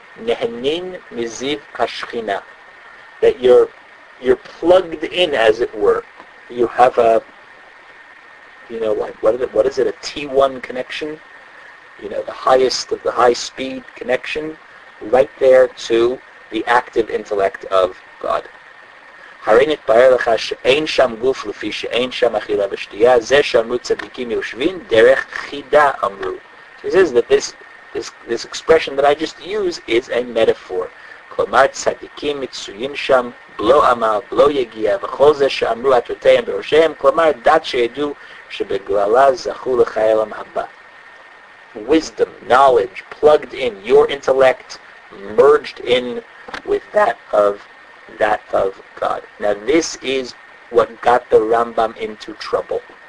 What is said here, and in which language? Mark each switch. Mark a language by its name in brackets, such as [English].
[Hebrew] Nehenin miziv kashchina. [English] That you're plugged in, as it were. You have a T1 connection? You know, the highest of the high speed connection right there to the active intellect of God. [Hebrew] הרי נתפאר לך שאין שם גוף לפי שאין שם אכילה ושתייה, זה שאמרו צדיקים יושבים, דרך חידה אמרו. [English] He says that this expression that I just use is a metaphor. [Hebrew] כלומר, צדיקים מצויים שם, בלו עמל, בלו יגיע, וכל זה שאמרו את רותיהם בראשיהם, כלומר, דת שידעו שבגללה זכו לחיי עולם הבא. [English] Wisdom, knowledge, plugged in, your intellect merged in with that of God. Now this is what got the Rambam into trouble.